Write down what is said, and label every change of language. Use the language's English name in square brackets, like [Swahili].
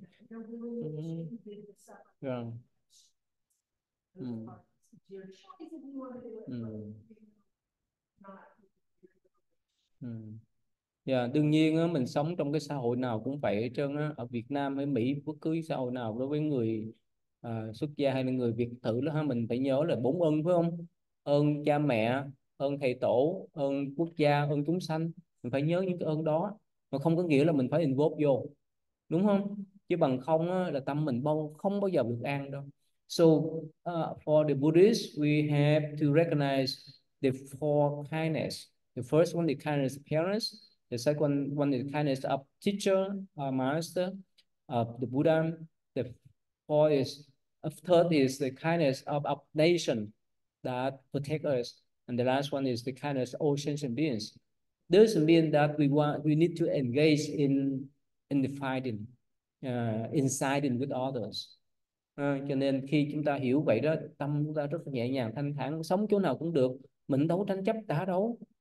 [English] Your choice if you want to do it, but not. [Vietnamese] Đương nhiên á, mình sống trong cái xã hội nào cũng vậy hết trơn á, ở Việt Nam hay Mỹ, bất cứ xã hội nào đối với người xuất gia hay là người Việt tử đó ha, mình phải nhớ là bốn ơn phải không? Ơn cha mẹ, ơn thầy tổ, ơn quốc gia, ơn chúng sanh. Mình phải nhớ những cái ơn đó, mà không có nghĩa là mình phải involve vô, đúng không? Chứ bằng không á, là tâm mình không bao giờ được an đâu. [English] So for the Buddhists, we have to recognize the four kindness. The first one is kindness of parents. The second one is kindness of teacher, master, of the Buddha. The fourth is, third is the kindness of our nation that protect us. And the last one is the kindness of all sentient beings. This means that we need to engage in the fighting, in siding with others. [Vietnamese] Cho nên khi chúng ta hiểu vậy đó, tâm chúng ta rất là nhẹ nhàng, thanh thản, sống chỗ nào cũng được, mình đấu tranh chấp đá đấu.